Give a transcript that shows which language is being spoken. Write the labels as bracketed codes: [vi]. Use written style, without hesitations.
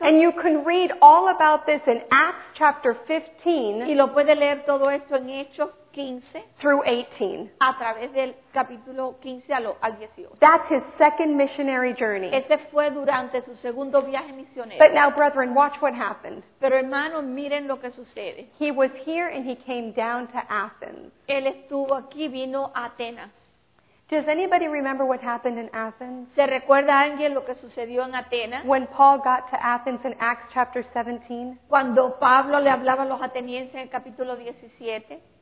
[en] And you can read all about this in Acts chapter 15. [es] Y lo puede leer todo esto en Hechos 15. [en] Through 18. [es] A través del capítulo 15 al 18. [en] That's his second missionary journey. [es] Ese fue durante su segundo viaje misionero. [en] But now, brethren, watch what happened. [es] Pero hermanos, miren lo que sucede. [en] He was here and he came down to Athens. [es] Él estuvo aquí, vino a Atenas. [en] Does anybody remember what happened in Athens? [es] ¿Se recuerda alguien lo que sucedió en Atenas? [en] When Paul got to Athens in Acts chapter 17. [es] Cuando Pablo le hablaba a los atenienses en el capítulo 17.